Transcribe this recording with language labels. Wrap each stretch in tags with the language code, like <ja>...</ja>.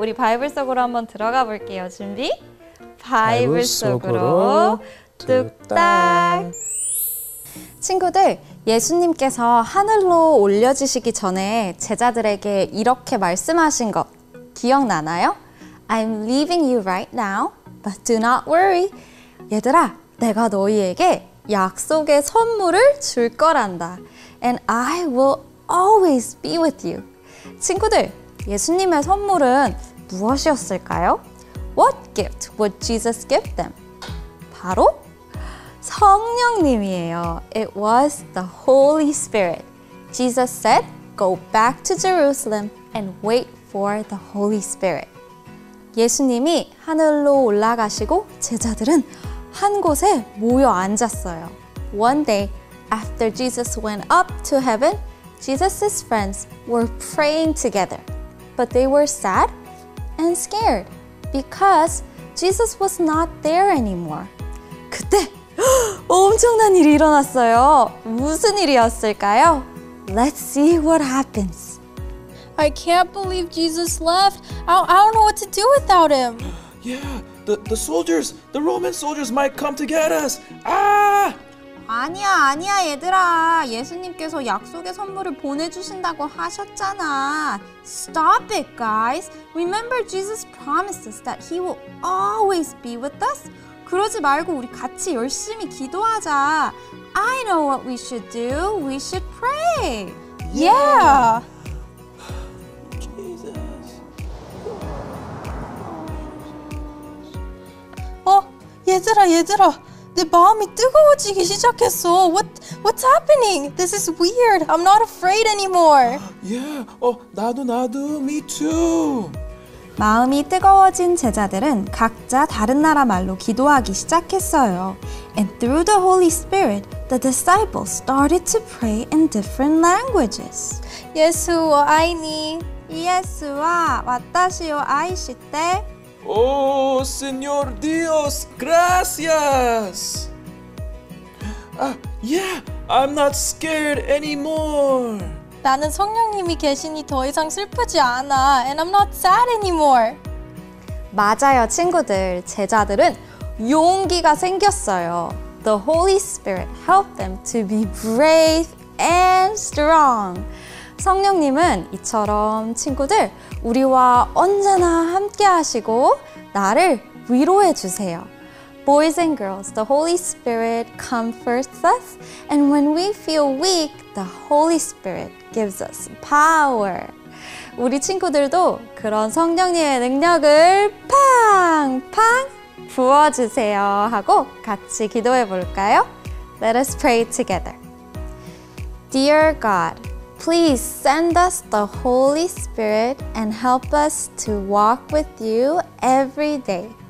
<ko>우리 바이블 속으로 한번 들어가 볼게요. 준비? 바이블 속으로 뚝딱. 친구들, 예수님께서 하늘로 올려지시기 전에 제자들에게 이렇게 말씀하신 거 기억나나요?</ko> <en>I'm leaving you right now, but do not worry.</en> <ko>얘들아, 내가 너희에게 약속의 선물을 줄 거란다.</ko> <en>And I will always be with you.</en> <ko>친구들, 예수님의 선물은 무엇이었을까요?</ko> <en>What gift would Jesus give them?</en> <ko>바로 성령님이에요.</ko> <en>It was the Holy Spirit. Jesus said, go back to Jerusalem and wait for the Holy Spirit.</en> <ko>예수님이 하늘로 올라가시고 제자들은 한 곳에 모여 앉았어요.</ko> <en>One day, after Jesus went up to heaven, Jesus' friends were praying together. But they were sad and scared because Jesus was not there anymore.</en> <ko>그때 엄청난 일이 일어났어요. 무슨 일이었을까요?</ko> <en>Let's see what happens. I can't believe Jesus left. I don't know what to do without him. Yeah. The soldiers, the Roman soldiers might come to get us. Ah!</en> <ko>아니야, 아니야, 얘들아. 예수님께서 약속의 선물을 보내주신다고 하셨잖아.</ko> <en>Stop it, guys. Remember Jesus promised us that he will always be with us?</en> <ko>그러지 말고 우리 같이 열심히 기도하자.</ko> <en>I know what we should do. We should pray. Yeah! Jesus.</en> <ko>얘들아, 얘들아, 내 마음이 뜨거워지기 시작했어.</ko> <en>What's happening? This is weird. I'm not afraid anymore. Yeah.</en> <ko>나도.</ko> <en>Me too.</en> <ko>마음이 뜨거워진 제자들은 각자 다른 나라 말로 기도하기 시작했어요.</ko> <en>And through the Holy Spirit, the disciples started to pray in different languages.</en> <ja>예수와 아이니. 예수와 왓다시오 아이시테.</ja> <es>Oh, Señor Dios, gracias!</es> <en>Yeah, I'm not scared anymore.</en> <ko>나는 성령님이 계시니 더 이상 슬프지 않아.</ko> <en>And I'm not sad anymore.</en> <ko>맞아요, 친구들. 제자들은 용기가 생겼어요.</ko> <en>The Holy Spirit helped them to be brave and strong.</en> <ko>성령님은 이처럼 친구들, 우리와 언제나 함께 하시고 나를 위로해 주세요.</ko> <en>Boys and girls, the Holy Spirit comforts us, and when we feel weak, the Holy Spirit gives us power.</en> <ko>우리 친구들도 그런 성령님의 능력을 팡팡 부어주세요 하고 같이 기도해 볼까요?</ko> <en>Let us pray together. Dear God, please send us the Holy Spirit and help us to walk with you every day.</en>